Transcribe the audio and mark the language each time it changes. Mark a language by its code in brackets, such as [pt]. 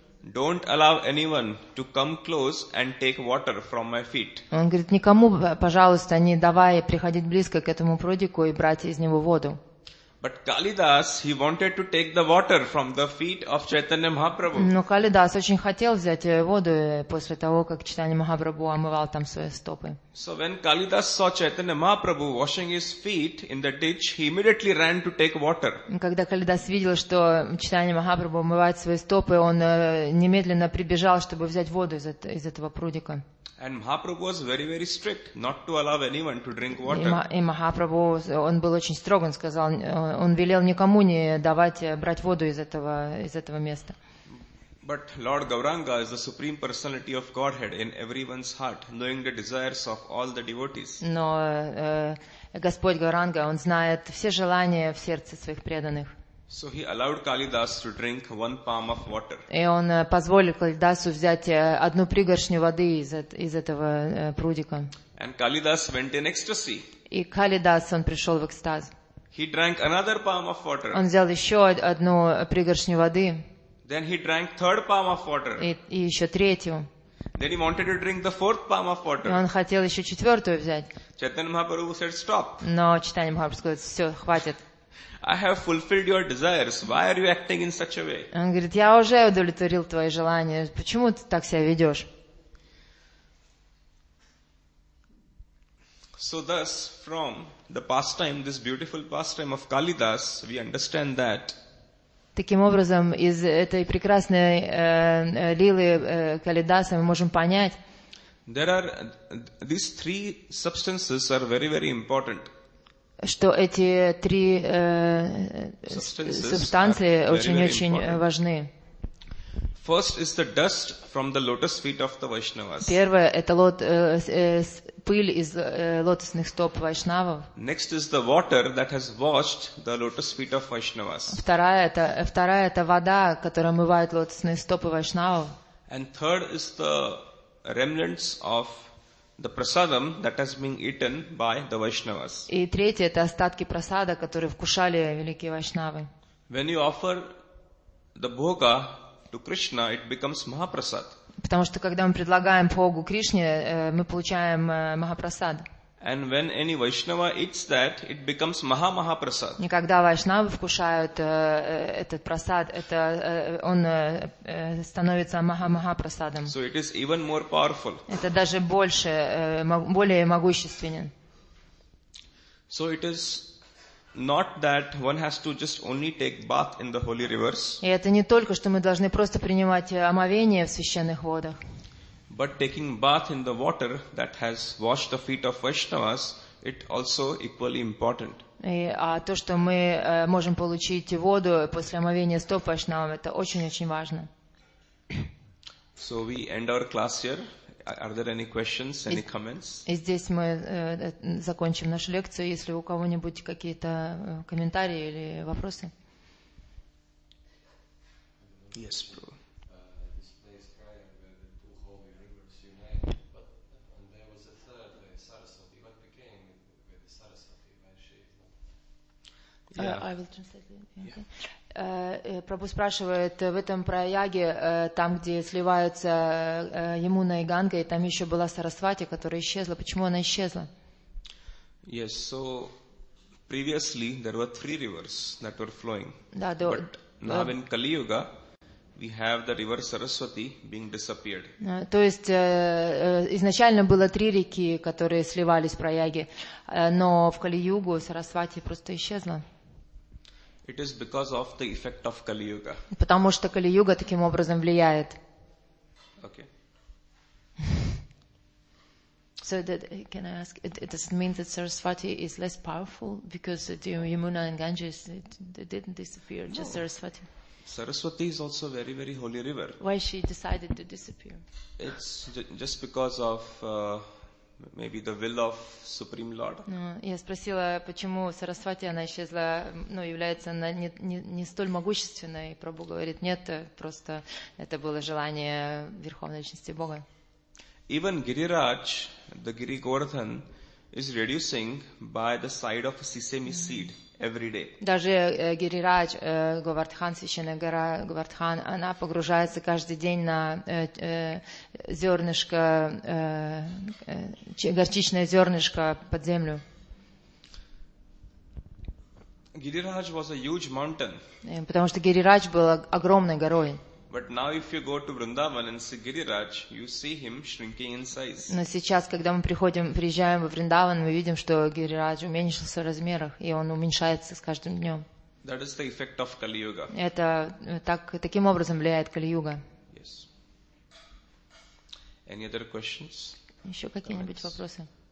[en] Don't allow anyone to come close and take water from my feet. [ru] Он говорит: никому, пожалуйста, не давай приходить близко к этому прудику и брать из него воду. [en] But Kalidas, he wanted to take the water from the feet of Chaitanya Mahaprabhu. [ru] Но Калидас очень хотел взять воду после того, как Чайтанья Махапрабху омывал там свои стопы. [en] So when Kalidas saw Chaitanya Mahaprabhu washing his feet in the ditch, he immediately ran to take water. [ru] Когда Калидас видел, что Чайтанья Махапрабху омывает свои стопы, он немедленно прибежал, чтобы взять воду из этого прудика. [en] And Mahaprabhu was very, very strict not to allow anyone to drink water. [ru] И Махапрабху, он был очень строг, он сказал, он велел никому не давать брать воду из этого места. [en] But Lord Gauranga is the supreme personality of Godhead in everyone's heart, knowing the desires of all the devotees. [ru] Но Господь Гауранга, он знает все желания в сердце своих преданных. [en] So he allowed Kalidas to drink one palm of water. [ru] И он позволил Калидасу взять одну пригоршню воды из этого прудика. [en] And Kalidas went in ecstasy. [ru] И Калидас, он пришел в экстаз. [en] He drank another palm of water. [ru] Он взял еще одну пригоршню воды. [en] Then he drank third palm of water. [ru] И еще третью. [en] Then he wanted to drink the fourth palm of water. [ru] И он хотел еще четвертую взять. [en] Chaitanya Mahaprabhu said, "Stop." [ru] Но Чайтанья Махапрабху сказал: "Все, хватит." [en] I have fulfilled your desires. Why are you acting in such a way? [ru] Он говорит: я уже удовлетворил твои желания. Почему ты так себя ведешь? [en] So thus, from the pastime, this beautiful pastime of Kalidas, we understand that. [ru] Таким образом, из этой прекрасной лилы Калидаса мы можем понять. [en] There are these three substances are very, very important. [ru] Что эти три субстанции очень-очень важны. [en] First is the dust from the lotus feet of the Vaishnavas. [ru] Первое — это пыль из лотосных стоп Вайшнавов. [en] Next is the water that has washed the lotus feet of Vaishnavas. [ru] Вторая — это вода, которая омывает лотосные стопы Вайшнавов. [en] And third is the remnants of the prasadam that has been eaten by the Vaishnavas. [ru] И третье — это остатки прасада, которые вкушали великие вайшнавы. [en] When you offer the bhoga to Krishna, it becomes mahaprasad. [ru] Потому что когда мы предлагаем бхогу Кришне, мы получаем махапрасад. [en] And when any Vaishnava eats that, it becomes maha-maha-prasad. [ru] И когда вайшнавы вкушают этот прасад, это он становится маха-маха-прасадом. [en] So it is even more powerful. [ru] Это даже больше, более могущественен. [en] So it is not that one has to just only take bath in the holy rivers. [ru] И это не только, что мы должны просто принимать омовение в священных водах. [en] But taking bath in the water that has washed the feet of Vaishnavas, it also equally important. [ru] А то, что мы можем получить воду после омовения стоп Вайшнавов, это очень-очень важно. [en] So we end our class here. Are there any questions, any comments? [ru] И здесь мы закончим нашу лекцию. Если у кого-нибудь какие-то комментарии или вопросы? [en] Yes, bro. I will translate. [ru] Прабху спрашивает, в этом Праяге, там, где сливаются Ямуна и Ганга, и там еще была Сарасвати, которая исчезла. Почему она исчезла? [en] Yes, so previously there were three rivers that were flowing. [ru] Да, [en] but now in Kali Yuga, we have the river Saraswati being disappeared. [ru] То есть изначально было три реки, которые сливались в Праяге, но в Кали-Югу Сарасвати просто исчезла. [en] It is because of the effect of Kali Yuga. [ru] Потому что Кали Юга таким образом влияет. [en] Okay. So that, can I ask, does it mean that Saraswati is less powerful because the Yamuna and Ganges they didn't disappear, no. Just Saraswati? Saraswati is also a very, very holy river. Why she decided to disappear? It's just because of maybe the will of Supreme Lord. [ru] Я спросила, почему Сарасвати она исчезла, но является она не столь могущественной. Прабху говорит, нет, просто это было желание Верховной Личности Бога. [en] Even Giriraj, the Giri Govardhan, is reducing by the side of a sesame seed every day. [ru] Даже Гирирадж Говардхан, священная гора Говардхан, она погружается каждый день на зернышко, горчичное зернышко под землю. [en] Giriraj was a huge mountain. [ru] Потому что Гирирадж был огромной горой. [en] But now if you go to Vrindavan and see Giriraj, you see him shrinking in size. [ru] Но сейчас, когда мы приезжаем во Вриндаван, мы видим, что Гирирадж уменьшился в размерах, и он уменьшается с каждым днем. [en] That is the effect of Kali Yuga. [ru] Это таким образом влияет Кали Юга. [en] Yes. Any other questions? [ru] Еще какие-нибудь вопросы?